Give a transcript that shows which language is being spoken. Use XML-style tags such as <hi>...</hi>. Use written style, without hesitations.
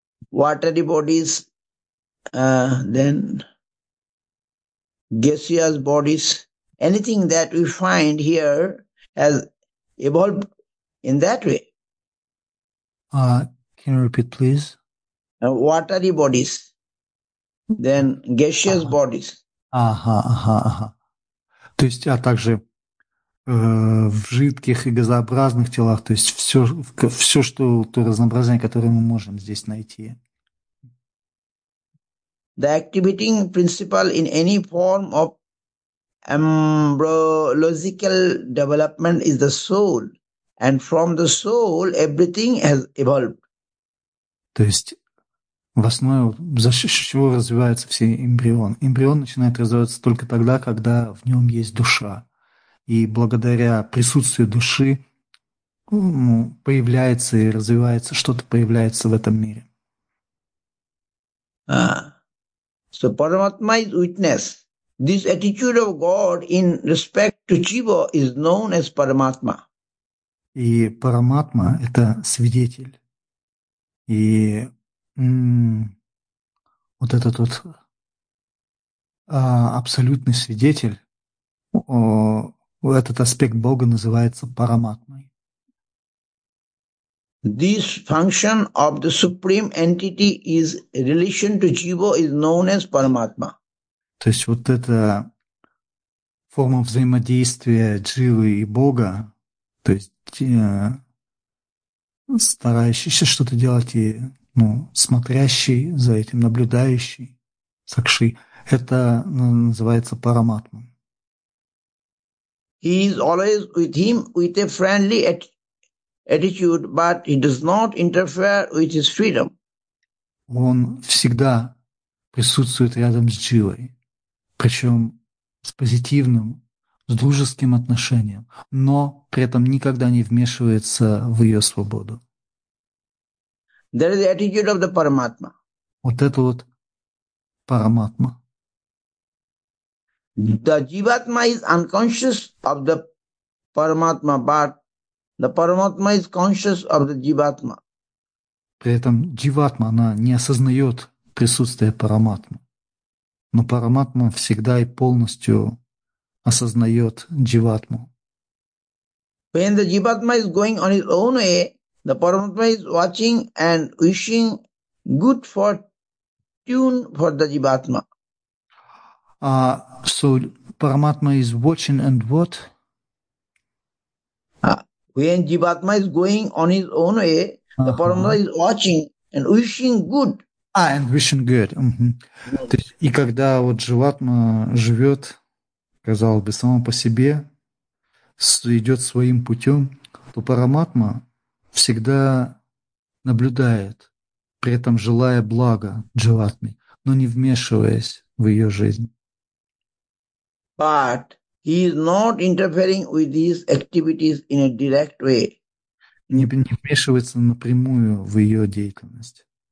<en>Watery bodies, then gaseous bodies, anything that we find here has evolved in that way. Can you repeat, please? Watery bodies, then gaseous bodies.</en> <ru>То есть, а также в жидких и газообразных телах, то есть все, что то разнообразие, которое мы можем здесь найти.</ru> <en>The activating principle in any form of embryological development is the soul, and from the soul everything has evolved.</en> <ru>То есть в основе, за счет чего развивается все эмбрион. Эмбрион начинает развиваться только тогда, когда в нем есть душа. И благодаря присутствию души появляется и развивается, что-то появляется в этом мире.</ru> <en>So Paramatma is witness. This attitude of God in respect to Jiva is known as Paramatma.</en> <ru>И Параматма – это свидетель. И вот этот вот абсолютный свидетель, этот аспект Бога называется параматмой.</ru> <en>This function of the supreme entity is relation to Jiva is known as Paramatma.</en> <ru>То есть вот эта форма взаимодействия дживы и Бога, то есть старающийся что-то делать и смотрящий за этим, наблюдающий, сакши, это называется параматма.</ru> <en>He is always with him with a friendly attitude, but he does not interfere with his freedom.</en> <ru>Он всегда присутствует рядом с дживой, причем с позитивным, с дружеским отношением, но при этом никогда не вмешивается в ее свободу.</ru> <en>There is the attitude of the Paramatma.</en> <ru>Вот это вот параматма.</ru> <en>The Jivatma is unconscious of the Paramatma, but the Paramatma is conscious of the Jivatma.</en> <ru>При этом дживатма, она не осознает присутствие параматмы. Но параматма всегда и полностью осознает дживатму.</ru> <en>When the Jivatma is going on his own way, the Paramatma is watching and wishing good fortune for the Jivatma. So Paramatma is watching and what? When Jivatma is going on his own way, the Paramatma is watching and wishing good. And wishing good. Yes.</en> <ru>То есть, и когда вот дживатма живет, казалось бы, само по себе, идет своим путем, то параматма всегда наблюдает, при этом желая блага дживатме, но не вмешиваясь в ее жизнь.</ru> <en>But he is not interfering with his activities in a direct way.</en> <ru>Не вмешивается напрямую в ее деятельность.</ru>